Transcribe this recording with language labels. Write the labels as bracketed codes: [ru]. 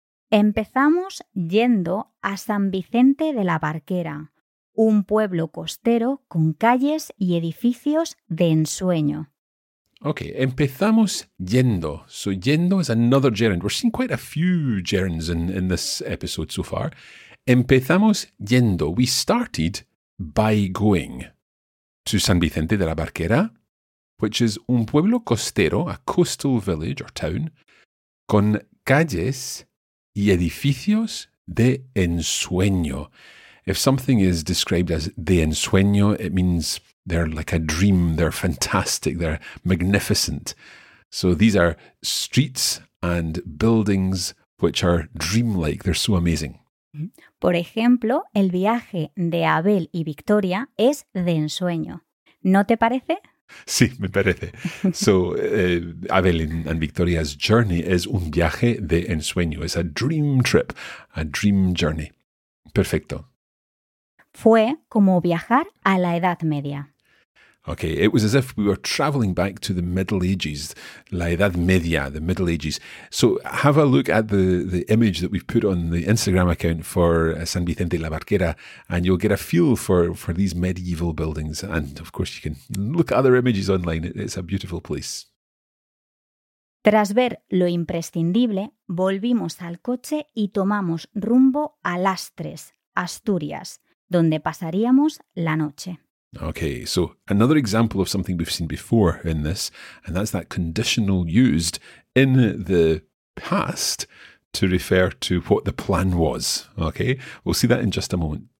[es] Empezamos yendo a San Vicente de la Barquera, un pueblo costero con calles y edificios de ensueño. [en] Okay, [es] empezamos yendo. [en] So yendo is another gerund. We're seeing quite a few gerunds in this episode so far. [es] Empezamos yendo. [en] We started by going to San Vicente de la Barquera, which is [es] un pueblo costero, [en] a coastal village or town, [es] con calles y edificios de ensueño. [en] If something is described as de ensueño, it means they're like a dream, they're fantastic, they're magnificent. So these are streets and buildings which are dreamlike, they're so amazing. [es] Por ejemplo, el viaje de Abel y Victoria es de ensueño. ¿No te parece? Sí, me parece. [en] So, Abel and Victoria's journey [es] es un viaje de ensueño. [en] It's a dream trip, a dream journey. Perfecto. [es] Fue como viajar a la Edad Media. [en] Okay, it was as if we were traveling back to the Middle Ages, la Edad Media, the Middle Ages. So have a look at the image that we've put on the Instagram account for San Vicente la Barquera, and you'll get a feel for these medieval buildings. And of course, you can look at other images online. It's a beautiful place. [es] Tras ver lo imprescindible, volvimos al coche y tomamos rumbo a Lastres, Asturias, donde pasaríamos la noche. [en] Okay, so another example of something we've seen before in this, and that's that conditional used in the past to refer to what the plan was. Okay, we'll see that in just a moment.